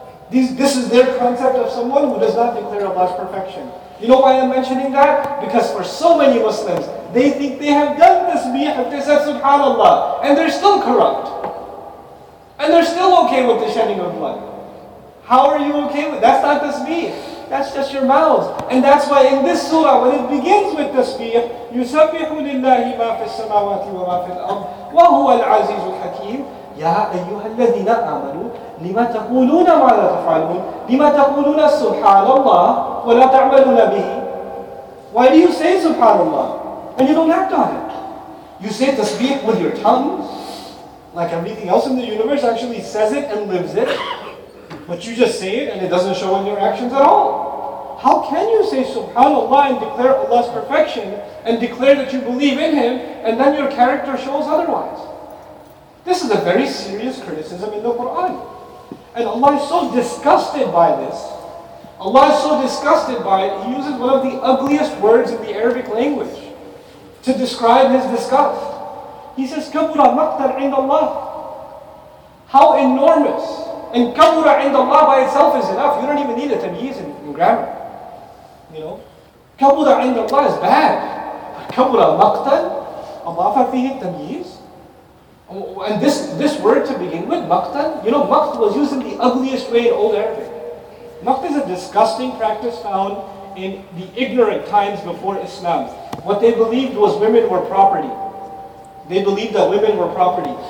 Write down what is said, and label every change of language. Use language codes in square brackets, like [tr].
[en] This is their concept of someone who does not declare Allah's perfection. You know why I'm mentioning that? Because for so many Muslims, they think they have done tasbih, they said subhanallah, and they're still corrupt. And they're still okay with the shedding of blood. How are you okay with that? That's not tasbih. That's just your mouths. [ar] And that's why in this surah, when it begins with tasbih, يُسَبِّحُ لِلَّهِ مَا فِي السَّمَاوَاتِ وَمَا فِي الْأَرْضِ وَهُوَ الْعَزِيزُ الْحَكِيمُ يَا أَيُّهَا الَّذِينَ آمَنُوا لِمَا تَقُولُونَ مَا لَا تَفْعَلُونَ لِمَا تَقُولُونَ سُبْحَانَ اللَّهِ وَلَا تَعْمَلُونَ بِهِ. [en] Why do you say subhanallah? And you don't act on it. You say tasbih with your tongues, like everything else in the universe actually says it and lives it. But you just say it and it doesn't show in your actions at all. How can you say subhanallah and declare Allah's perfection and declare that you believe in Him and then your character shows otherwise? This is a very serious criticism in the Quran. And Allah is so disgusted by this. Allah is so disgusted by it, He uses one of the ugliest words in the Arabic language to describe His disgust. [ar] He says, كَبُرَ مَقْتَرْ عِنْدَ اللَّهِ. [en] How enormous. And [ar] كَبُرَ عِنْدَ اللَّهِ [en] by itself is enough. You don't even need a tamyiz in grammar. You know? [ar] كَبُرَ عِنْدَ اللَّهِ [en] is bad. But [ar] كَبُرَ مَقْتَرْ أَضَافَ فِيهِ التَّمْيِيزِ. [en] And this word to begin with, maqtan, you know, maqt was used in the ugliest way in old Arabic. Maqt is a disgusting practice found in the ignorant times before Islam. What they believed was women were property. They believed that women were property.